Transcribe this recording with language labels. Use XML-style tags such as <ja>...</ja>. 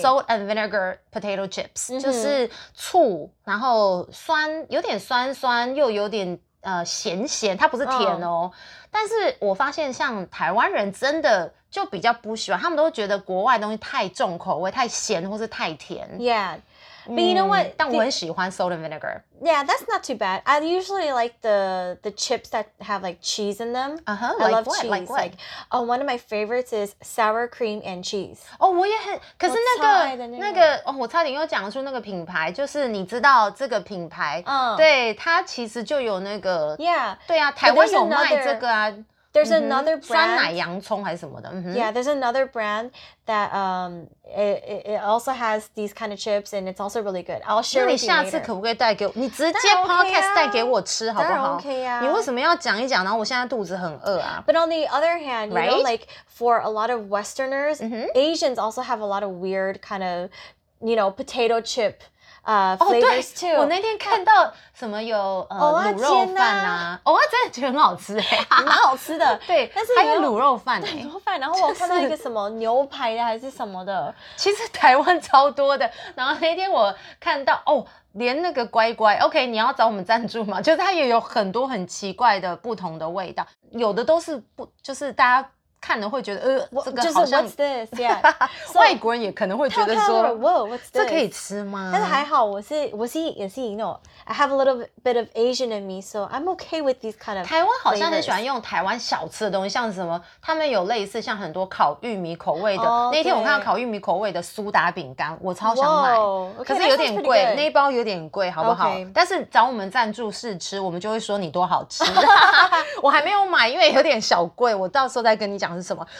<en>salt and vinegar potato chips，</en> <zh>嗯，就是醋，然后酸，有点酸酸，又有点咸咸，它不是甜哦。</zh> <en>Oh.</en> <zh>但是我发现像台湾人真的就比较不喜欢，他们都觉得国外东西太重口味，太咸或是太甜。</zh> <en>Yeah. But you know what?</en> <zh>但我很喜欢</zh> <en>salt and vinegar. Yeah, that's not too bad. I usually like the chips that have like cheese in them. Uh-huh, I love cheese. Like what? One of my favorites is sour cream and cheese.</en> <zh>哦，我也很，可是那个哦，我差点又讲出那个品牌，就是你知道这个品牌，对，它其实就有那个</zh> <en>，Yeah，</en> <zh>对啊，台湾有卖这个啊。</zh> <en>There's another brand.</en> <zh>酸奶洋葱还是什么的。</zh> <en>Yeah, there's another brand that it also has these kind of chips and it's also really good. I'll share with you later.</en> <zh>那你下次可不可以带给我？你直接 podcast 带给我吃好不好？当然 OK 啊。你为什么要讲一讲？然后我现在肚子很饿啊。</zh> <en>But on the other hand, you know, like for a lot of Westerners, Asians also have a lot of weird kind of, you know, potato chip. flavors too.</en> <zh>我那天看到什么有卤肉饭啊，哦，我真的觉得很好吃哎，欸，蛮好吃的。对，但是还有卤肉饭，卤肉饭。然后我看到一个什么牛排的还是什么的，其实台湾超多的。然后那天我看到哦，连那个乖乖 ，OK， 你要找我们赞助吗？就是它也有很多很奇怪的不同的味道，有的都是不就是大家。看了会觉得这个好像就是</zh> <en>what's this? Yeah.</en> <zh>So, 外国人也可能会觉得说</zh> <en>Whoa, what's this?</en> <zh>这可以吃吗？但是还好我是</zh> <en>you know, I have a little bit of Asian in me, so I'm okay with these kind of</en> <zh>台湾好像很喜欢用台湾小吃的东西，像什么他们有类似像很多烤玉米口味的， oh, 那天我看到烤玉米口味的苏打饼干，我超想买，</zh> <en>Whoa, okay,</en> <zh>可是有点贵，那一包有点贵好不好？Okay. 但是找我们赞助试吃，我们就会说你多好吃我还没有买，因为有点小贵，我到时候再跟你讲是什么？</zh>